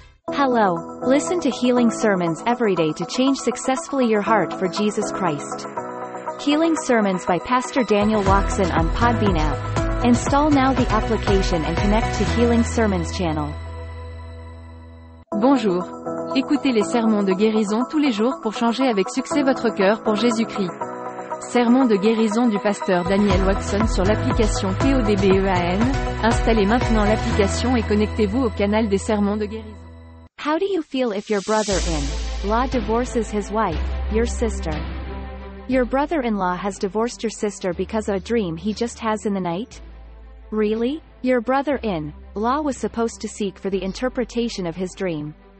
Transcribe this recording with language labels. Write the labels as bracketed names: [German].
[English] Hello. Listen to Healing Sermons every day to change successfully your heart for Jesus Christ. Healing Sermons by Pastor Daniel Watson on Podbean app. Install now the application and connect to Healing Sermons channel. [French] Bonjour. Écoutez les sermons de guérison tous les jours pour changer avec succès votre cœur pour Jésus-Christ. Sermons de guérison du pasteur Daniel Watson sur l'application PODBEAN. Installez maintenant l'application et connectez-vous au canal des sermons de guérison. [English] How do you feel if your brother-in-law divorces his wife, your sister? Your brother-in-law has divorced your sister because of a dream he just has in the night? Really? Your brother-in-law was supposed to seek for the interpretation of his dream.